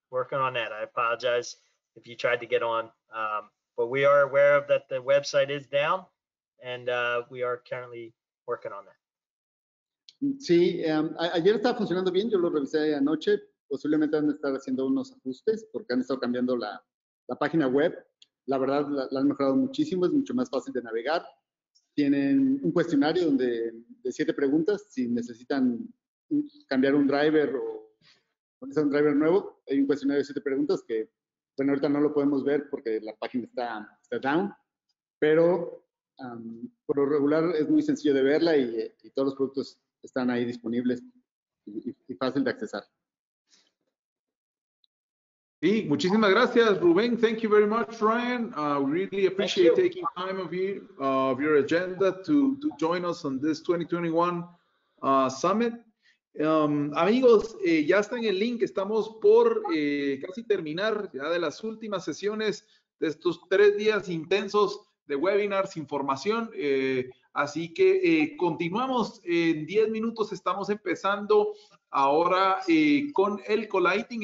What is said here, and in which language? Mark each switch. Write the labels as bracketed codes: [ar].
[en] I apologize if you tried to get on, but we are aware of that the website is down, and we are currently working on that. [es] Sí, ayer estaba funcionando bien. Yo lo revisé anoche. Posiblemente han estado haciendo unos ajustes porque han estado cambiando la página web. La verdad, la han mejorado muchísimo. Es mucho más fácil de navegar. Tienen un cuestionario de 7 preguntas. Si necesitan cambiar un driver o poner un driver nuevo, hay un cuestionario de 7 preguntas que, bueno, ahorita no lo podemos ver porque la página está down. Pero por lo regular es muy sencillo de verla y todos los productos están ahí disponibles y fácil de accesar. Sí, muchísimas gracias, Rubén. [en] Thank you very much, [es] Ryan. [en] Really appreciate taking time of your agenda to join us on this 2021 summit. [es] Amigos, ya está en el link. Estamos por casi terminar ya de las últimas sesiones de estos 3 días intensos de webinars, información. Así que continuamos en 10 minutos. Estamos empezando ahora con el colighting.